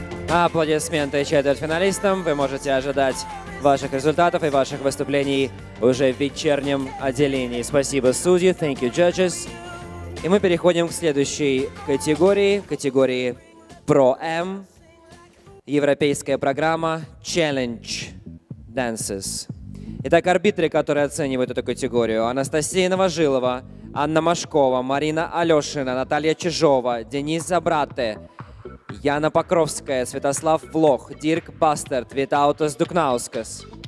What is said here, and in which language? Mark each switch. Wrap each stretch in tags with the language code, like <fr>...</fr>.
<ru>Аплодисменты четвертьфиналистам. Вы можете ожидать ваших результатов и ваших выступлений уже в вечернем отделении. Спасибо, судьи.</ru> <en>Thank you, judges.</en> <ru>И мы переходим к следующей категории. Категории Pro M. Европейская программа Challenge Dances. Итак, арбитры, которые оценивают эту категорию. Анастасия Новожилова, Анна Машкова, Марина Алешина, Наталья Чижова, Денис Забрате, Яна Покровская, Святослав Влох, Дирк Бастерт, Витаутас Дукнаускас.</ru>